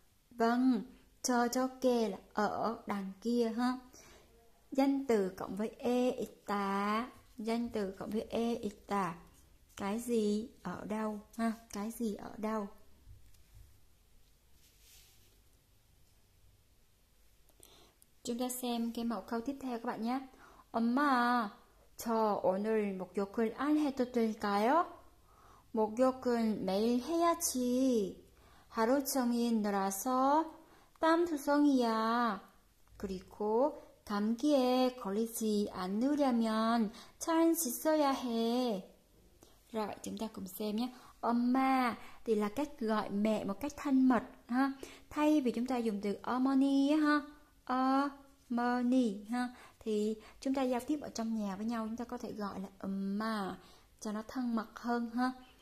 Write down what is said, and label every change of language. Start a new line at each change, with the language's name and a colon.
Vietnamese: Vâng, cho choke là ở đằng kia ha, danh từ cộng với e ita, danh từ cộng với e ita cái gì ở đâu ha, cái gì ở đâu. Chúng ta xem cái mẫu câu tiếp theo các bạn nhé.
Korean: Emma, cho 오늘 목욕을 안 해도 될까요? 목욕은 매일 해야지. 하루 종일 놀아서 땀투성이야. 그리고 감기에 걸리지 않으려면 잘 씻어야 해.
Vietnamese: Rồi, chúng ta cùng xem nhé. Emma thì là cách gọi mẹ một cách thân mật ha. Thay vì chúng ta dùng từ omoni ha. Money ha, thì chúng ta giao tiếp ở trong nhà với nhau chúng ta có thể gọi là mà cho nó thân mật hơn ha.